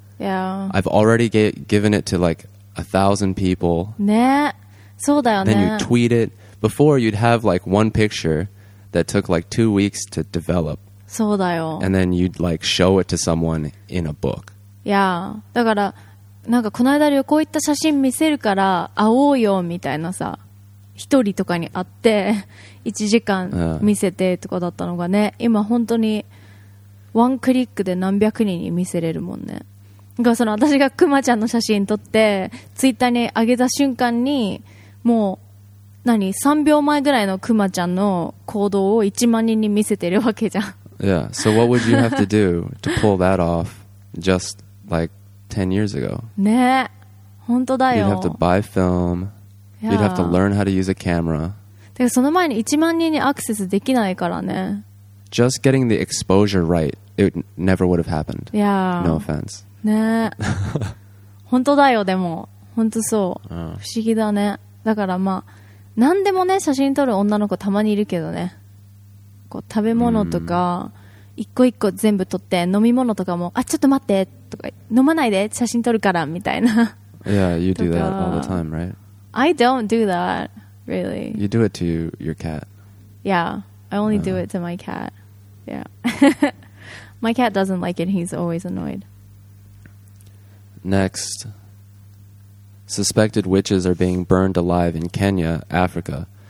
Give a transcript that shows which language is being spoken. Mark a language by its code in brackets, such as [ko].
[en] Yeah. I've already given it to like 1,000 people. [ja] Yeah, そうだよね。 [en] Then you tweet it. Before, you'd have like one picture. That took like 2 weeks to develop. [ja] そうだよ。 [en] And then you'd like show it to someone in a book. Yeah. [ja] だからなんかこの間旅行行った写真見せるから会おうよみたいなさ、一人とかに会って1時間見せてとかだったのがね、今本当にワンクリックで何百人に見せれるもんね。だからその私がクマちゃんの写真撮ってツイッターに上げた瞬間にもう何3秒前ぐらいのクマちゃんの行動を1万人に見せてるわけじゃん。 [en] Yeah, so what would you have to do to pull that off just like 10 years ago? [ja] ね、本当だよ。 [en] You'd have to buy film. You'd have to learn how to use a camera. [ja] てかその前に1万人にアクセスできないからね。 [en] Just getting the exposure right, it never would have happened. Yeah. No offense. [ja] ね、本当だよ。でも本当そう、不思議だね。だからまあ何でもね、写真撮る女の子たまにいるけどね、こう食べ物とか一個一個全部撮って、飲み物とかもあ、ちょっと待ってとか、飲まないで写真撮るからみたいな。 [en] Yeah, you do that all the time, right? I don't do that, really. You do it to your cat. Yeah, I only do it to my cat. Yeah. My cat doesn't like it, he's always annoyed. NextSuspected witches are being burned alive in Kenya, Africa.